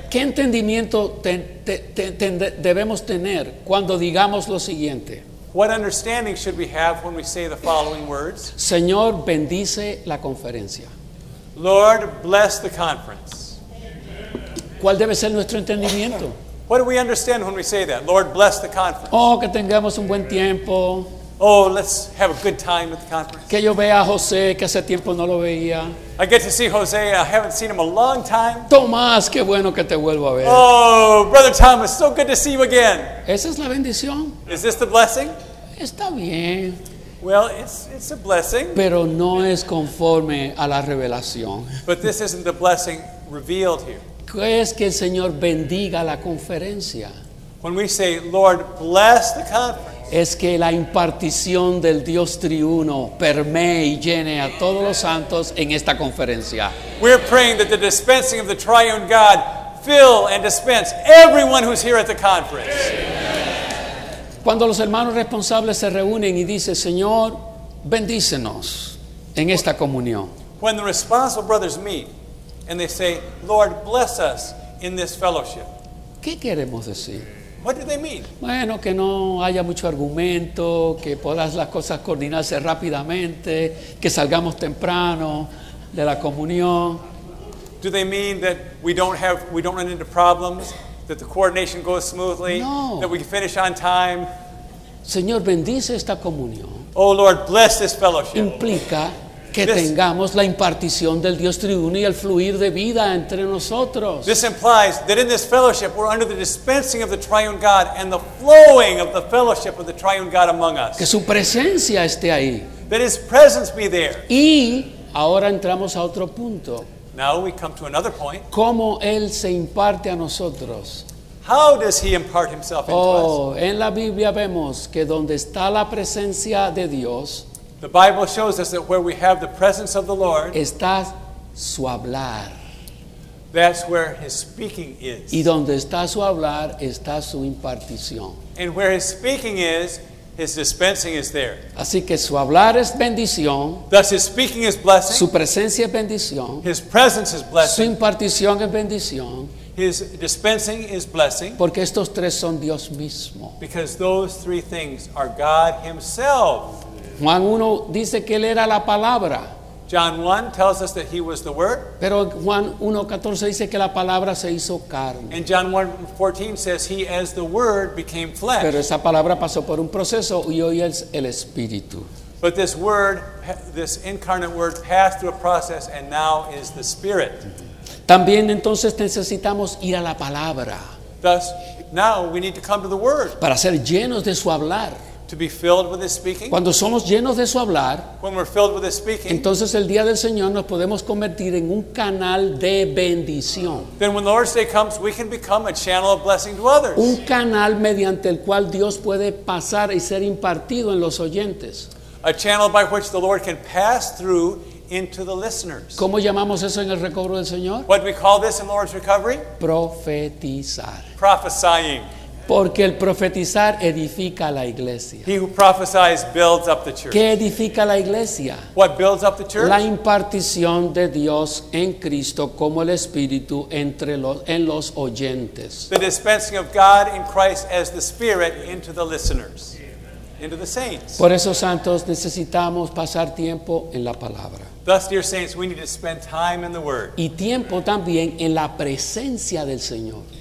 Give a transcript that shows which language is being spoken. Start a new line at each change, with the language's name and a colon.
Spanish: ¿qué entendimiento debemos tener cuando digamos lo siguiente?
English: What understanding should we have when we say the following words?
Spanish: Señor, bendice la conferencia.
English: Lord, bless the conference.
Spanish: ¿Cuál debe ser nuestro entendimiento?
English: What do we understand when we say that? Lord, bless the conference.
Spanish: Oh, que tengamos un buen tiempo.
English: Oh, let's have a good time at the conference.
Spanish: Que yo vea a José, que hace tiempo no lo veía.
English: I get to see Jose. I haven't seen him a long time.
Spanish: Tomás, qué bueno que te vuelvo a ver.
English: Oh, Brother Thomas, so good to see you again.
Spanish: ¿Esa es la bendición?
English: Is this the blessing?
Spanish: Está bien.
English: Well, it's a blessing.
Spanish: Pero no es conforme a la revelación.
English: But this isn't the blessing revealed here.
Spanish: ¿Qué es que el Señor bendiga la conferencia?
English: When we say, Lord, bless the conference.
Spanish: Es que la impartición del Dios triuno permee y llene a todos los santos en esta conferencia.
English: We're praying that the dispensing of the triune God fill and dispense everyone who's here at the conference.
Spanish: Cuando los hermanos responsables se reúnen y dicen, Señor, bendícenos en esta comunión.
English: When the responsible brothers meet and they say, Lord, bless us in this fellowship.
Spanish: ¿Qué queremos decir?
English: What do they mean?
Spanish: Bueno, que no haya mucho argumento, que puedas las cosas coordinarse rápidamente, que salgamos temprano de la comunión.
English: Do they mean that we don't run into problems, that the coordination goes smoothly, no. that we can finish on time.
Spanish: Señor, bendice esta comunión.
English: Oh Lord, bless this fellowship.
Spanish: Implica que this, tengamos la impartición del Dios triuno y el fluir de vida entre nosotros.
English: This implies that in this fellowship we're under the dispensing of the triune God and the flowing of the fellowship of the triune God among us.
Spanish: Que su presencia esté ahí.
English: That his presence be there.
Spanish: Y ahora entramos a otro punto.
English: Now we come to another point.
Spanish: ¿Cómo él se imparte a nosotros?
English: How does he impart himself into oh, us?
Spanish: En la Biblia vemos que donde está la presencia de Dios,
English: the Bible shows us that where we have the presence of the Lord,
Spanish: está su hablar.
English: That's where his speaking is.
Spanish: Y donde está su hablar, está su impartición.
English: And where his speaking is, his dispensing is there.
Spanish: Así que su hablar es bendición.
English: Thus his speaking is blessing.
Spanish: Su presencia es bendición.
English: His presence is blessing.
Spanish: Su impartición es bendición.
English: His dispensing is blessing.
Spanish: Porque estos tres son Dios mismo.
English: Because those three things are God himself.
Spanish: Juan 1 dice que él era la palabra.
English: John 1 tells us that he was the word.
Spanish: Pero Juan 1:14 dice que la palabra se hizo carne.
English: And John 1:14 says he as the word became flesh.
Spanish: Pero esa palabra pasó por un proceso y hoy es el espíritu.
English: But this word, this incarnate word passed through a process and now is the spirit.
Spanish: También entonces necesitamos ir a la palabra.
English: Thus, now we need to come to the word.
Spanish: Para ser llenos de su hablar.
English: To be filled with his speaking.
Spanish: Cuando somos llenos de su hablar,
English: when we're filled with his speaking,
Spanish: entonces el día del Señor nos podemos convertir en un canal de bendición.
English: Then when the Lord's Day comes, we can become a channel of blessing to others.
Spanish: Un canal mediante el cual Dios puede pasar y ser impartido en los oyentes.
English: A channel by which the Lord can pass through into the listeners.
Spanish: ¿Cómo llamamos eso en el recobro del Señor?
English: What do we call this in Lord's recovery?
Spanish: Profetizar.
English: Prophesying.
Spanish: Porque el profetizar edifica la iglesia.
English: He who prophesies builds up the church.
Spanish: ¿Qué edifica la iglesia?
English: What builds up the church?
Spanish: La impartición de Dios en Cristo como el Espíritu entre los, en los oyentes.
English: The dispensing of God in Christ as the Spirit into the listeners, into the saints.
Spanish: Por eso, santos, necesitamos pasar tiempo en la palabra.
English: Thus, dear saints, we need to spend time in the Word.
Spanish: Y tiempo también en la presencia del Señor.